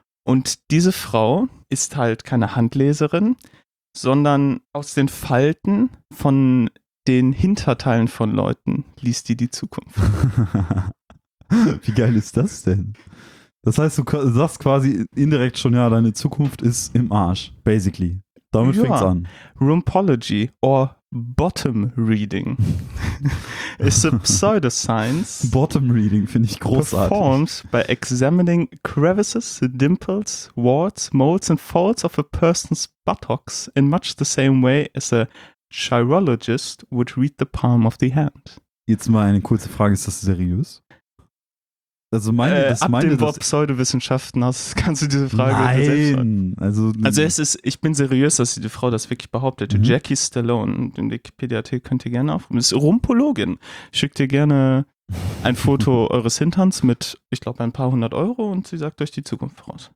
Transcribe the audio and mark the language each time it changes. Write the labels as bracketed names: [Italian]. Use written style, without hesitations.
[German] Und diese Frau ist halt keine Handleserin, sondern aus den Falten von den Hinterteilen von Leuten liest die Zukunft. Wie geil ist das denn? Das heißt, du sagst quasi indirekt schon, ja, deine Zukunft ist im Arsch, basically. Damit ja. Fängt's an. [English] Rumpology or Bottom Reading is a pseudoscience. [German] Bottom Reading finde ich großartig. [English] Performed by examining crevices, dimples, warts, moles and folds of a person's buttocks in much the same way as a chirologist would read the palm of the hand. [German] Jetzt mal eine kurze Frage, ist das seriös? Also meine, das ab meine, dem Wort Pseudowissenschaften hast, kannst du diese Frage nein, selbst sagen. Also es ist, ich bin seriös, dass die Frau das wirklich behauptet. Mhm. Jackie Stallone, den Wikipedia-Artikel könnt ihr gerne aufrufen. Ist Rumpologin. Schickt ihr gerne ein Foto eures Hinterns mit, ich glaube, ein paar hundert Euro und sie sagt euch die Zukunft voraus.